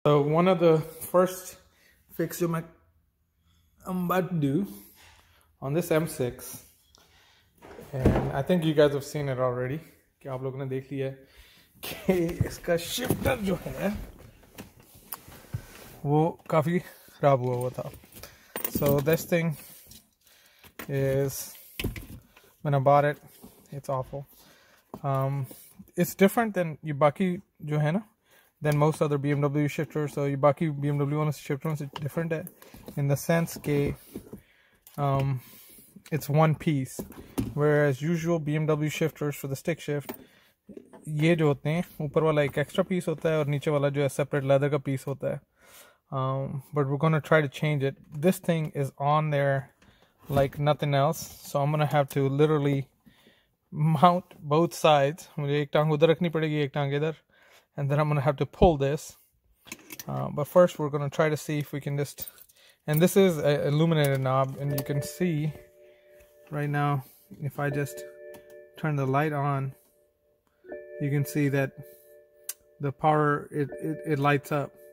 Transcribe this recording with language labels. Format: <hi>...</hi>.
<en>So one of the first fixes I'm about to do on this M6, and I think you guys have seen it already.</en> <hi>कि आप लोगों ने देख लिया कि इसका shifter जो है वो काफी खराब हुआ हुआ था.</hi> <en>So this thing is when I bought it, it's awful. It's different than your</en> <hi>बाकी जो है ना.</hi> <en>Than most other BMW shifters. So your बाकी BMW owner's shifter is different in the sense that it's one piece, whereas usual BMW shifters for the stick shift,</en> <hi>ये जो होते हैं ऊपर वाला एक extra piece होता है</hi> <en>और नीचे वाला जो है separate leather का piece होता है. But we're going to try to change it. This thing is on there like nothing else, so I'm going to have to literally mount both sides.</en> <hi>मुझे एक टांग उधर रखनी पड़ेगी, एक टांग इधर.</hi> <en>And then I'm going to have to pull this. But first, we're going to try to see if we can just... And this is an illuminated knob. And you can see right now, if I just turn the light on, you can see that the power, it lights up.</en>